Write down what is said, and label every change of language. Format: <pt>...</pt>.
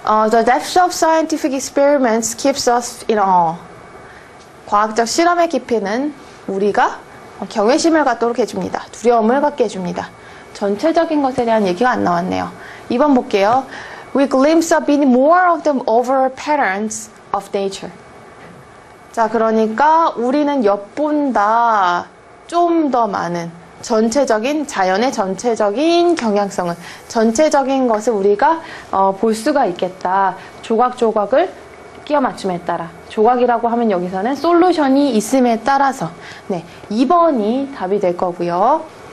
<en>The depth of scientific experiments keeps us in awe.</en> <ko>과학적 실험의 깊이는 우리가 경외심을 갖도록 해줍니다. 두려움을 갖게 해줍니다. 전체적인 것에 대한 얘기가 안 나왔네요. 2번 볼게요.</ko> <en>We glimpse a bit more of the overall patterns of nature.</en> <ko>자, 그러니까 우리는 엿본다 좀 더 많은 전체적인 자연의 전체적인 경향성을 전체적인 것을 우리가 볼 수가 있겠다. 조각조각을 끼어 맞춤에 따라 조각이라고 하면 여기서는 솔루션이 있음에 따라서 네, 2번이 답이 될 거고요.</ko>